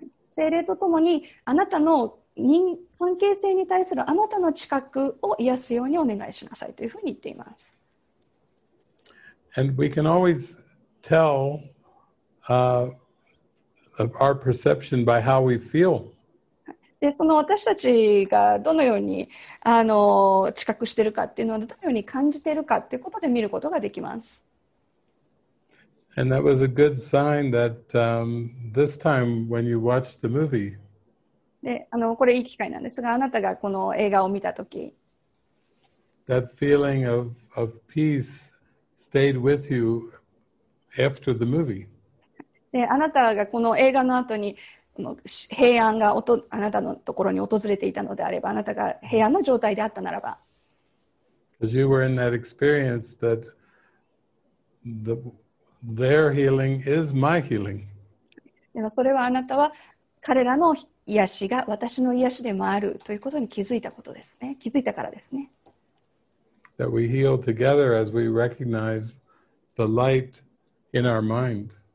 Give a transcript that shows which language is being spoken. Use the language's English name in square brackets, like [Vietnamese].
[Japanese] 聖霊とともにあなたの人関係性に対するあなたの知覚を癒すようにお願いしなさいというふうに言っています。 [English] And we can always tell our perception by how we feel. [Japanese] でその私たちがどのように知覚しているかっていうのはどのように感じているかっていうことで見ることができます。 [English] And that was a good sign that this time when you watched the movie. [Japanese] で、これいい機会なんですが、あなたがこの映画を見たとき、 [English] That feeling of peace stayed with you after the movie. [Japanese] で、あなたがこの映画の後に平安があなたのところに訪れていたのであれば、あなたが平安の状態であったならば、 [English] As you were in that experience that their healing is my healing. [Japanese] でもそれはあなたは彼らの癒しが私の癒しでもあるということに気づいたことですね。気づいたからですね。 [English] That we heal together as we recognize the light in our mind.